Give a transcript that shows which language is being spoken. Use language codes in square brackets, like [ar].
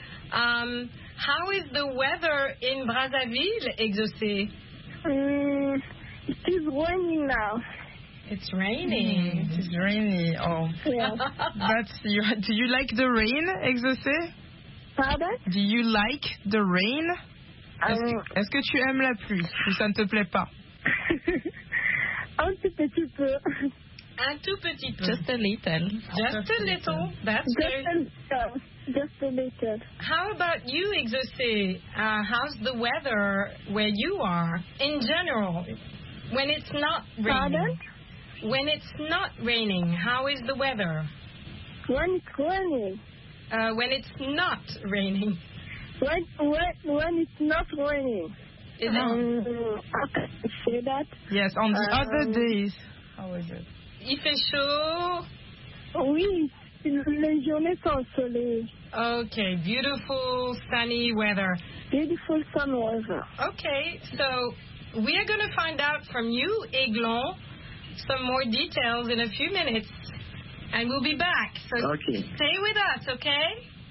[en] How is the weather in Brazzaville, exaucé? It is raining now. It's raining. It is rainy. Oh. Yeah. Do you like the rain, exaucé? Pardon? Do you like the rain? [fr] Est-ce que tu aimes la pluie, ou ça ne te plaît pas? Un petit peu. A tout petit peu. [en] Just a little. Just a little. That's just good. Just a little. How about you, Exocé? How's the weather where you are in general? When it's not raining. Pardon? When it's not raining, how is the weather? When it's raining. When it's not raining. When it's not raining. Is it? I can say that. Yes, on the other days. How is it? [fr] Il fait chaud? Oui, les journées sont soleil. [en] Okay, beautiful sunny weather. Beautiful sun weather. Okay, so we are going to find out from you, Aiglon, some more details in a few minutes. And we'll be back. So okay. Stay with us, okay?